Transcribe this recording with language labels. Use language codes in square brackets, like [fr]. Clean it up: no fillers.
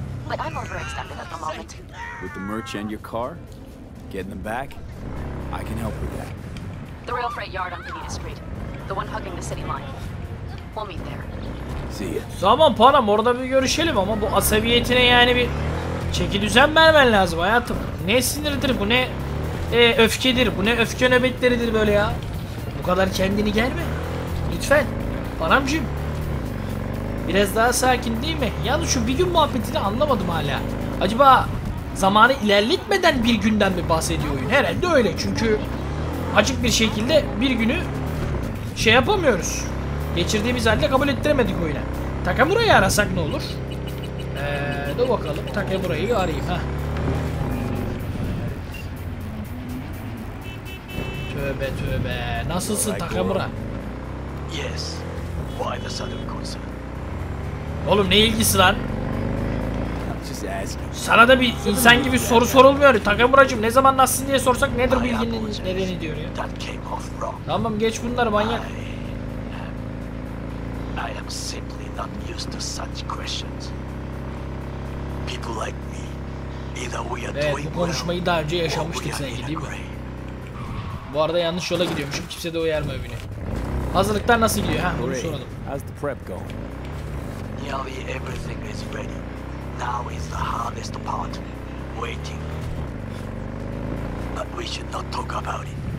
[en] But I'm overextended at the moment. With the merch and your car, getting them back, I can help with that. The rail freight yard on Pineda Street, the one hugging the city line. We'll meet there. See ya. [tr] Tamam Panam, orada bir görüşelim ama bu asabiyetine yani bir çeki düzen vermen lazım hayatım. Ne sinirdir bu, ne öfkedir, bu ne öfke nöbetleridir böyle ya. Bu kadar kendini germe. Lütfen Panamcığım. Biraz daha sakin değil mi? Yalnız şu bir gün muhabbetini anlamadım hala. Acaba zamanı ilerletmeden bir günden mi bahsediyor oyun? Herhalde öyle, çünkü açık bir şekilde bir günü şey yapamıyoruz. Geçirdiğimiz halde kabul ettiremedik oyuna. Takamura'yı arasak ne olur? Dur bakalım, Takamura'yı arayayım ha. Tövbe tövbe. Nasılsın Takamura? [en] Yes. Why the sudden concern? [tr] Oğlum ne ilgisi lan? Sana da bir insan gibi soru sorulmuyor. Takamura'cım, ne zaman nasılsın diye sorsak nedir bilginin nedeni diyor ya. Tamam geç bunları manyak. [en] I am simply not used to such questions. People like me, either we are doing [tr] bu konuşmayı daha önce yaşamıştık sanki değil mi? Bu arada yanlış yola gidiyormuşum, kimse de uyarma öbünü. Hazırlıklar nasıl gidiyor? Heh, bunu soralım. [en] How's the prep going? Nearly everything is ready. Now is the hardest part, waiting. But we should not talk about it.